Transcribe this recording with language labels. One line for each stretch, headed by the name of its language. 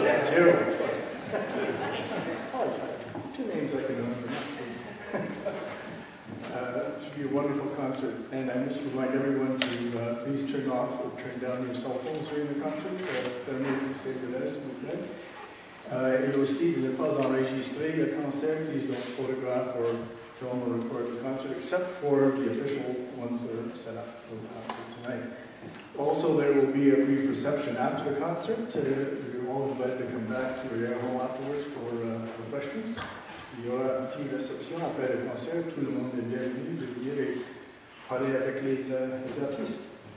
English: Gerald. Two names I can remember. It should be a wonderful concert, and I just remind everyone to please turn off or turn down your cell phones during the concert.
French: Fermez vos cellulaires, s'il vous plaît. Et aussi, ne pas enregistrer le concert.
English: Please don't photograph or film or record the concert, except for the official ones that are set up for the concert tonight. Also, there will be a brief reception after the concert. You're all invited to come back to your air hall afterwards for refreshments.
French: Il y aura une petite réception après le concert. Tout le monde est bienvenu de venir et parler avec les artistes.